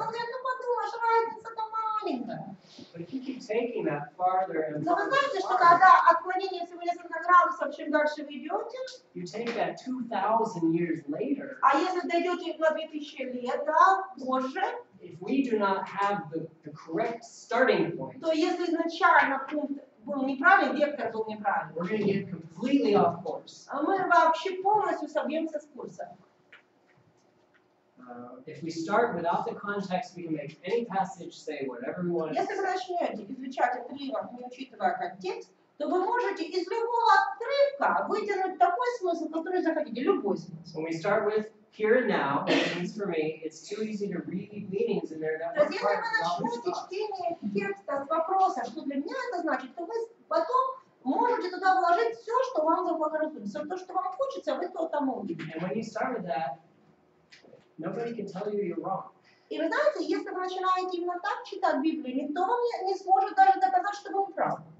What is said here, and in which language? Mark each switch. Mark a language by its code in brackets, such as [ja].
[ru] Он говорит, ну подумаешь, разница-то маленькая. [en] But if you keep taking that farther and farther. [ru] Но вы знаете, что когда отклонение всего несколько градусов, чем дальше вы идете? [en] You take that 2,000 years later. [ru] А если дойдете на 2000 лет, да, позже? [en] If we do not have the correct starting point. [ru] То если изначально пункт был неправильный, вектор был неправильный. [en] We're going to get completely off course. [ru] А мы вообще полностью собьемся с курса. [en] If we start without the context, we can make any passage say whatever we want. [ru] Если вы начнете изучать отрывок, не учитывая контекст, то вы можете из любого отрывка вытянуть такой смысл, который захотите, любой смысл. [en] When we start with here and now, which means for me, it's too easy to read meanings in there that were quite wrong. [ru] Если вы начнете чтение текста с вопроса, что для меня это значит, то вы потом можете туда вложить все, что вам заблагорассудится, все то, что вам хочется, вы то там увидите. [en] And when you start with that. Nobody can tell you you're wrong. [ru] И вы знаете, если вы начинаете именно так читать Библию, никто вам не сможет даже доказать, что вы правы.